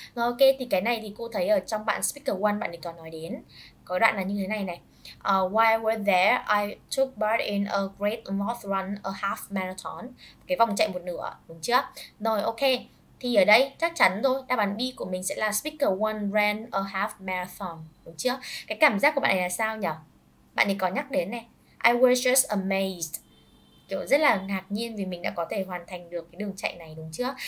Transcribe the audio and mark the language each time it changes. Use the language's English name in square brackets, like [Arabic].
[Vietnamese] Rồi ok, thì cái này thì cô thấy ở trong bạn speaker 1 bạn ấy có nói đến. Có đoạn là như thế này này. [English] While we're there, I took part in a great north run, a half marathon. [Vietnamese] Cái vòng chạy một nửa, đúng chưa? Rồi ok. Thì ở đây chắc chắn thôi, đáp án B của mình sẽ là [English] speaker 1 ran a half marathon, [Vietnamese] đúng chưa? Cái cảm giác của bạn này là sao nhỉ? Bạn ấy có nhắc đến này. [English] I was just amazed. [Vietnamese] Kiểu rất là ngạc nhiên vì mình đã có thể hoàn thành được cái đường chạy này, đúng chưa?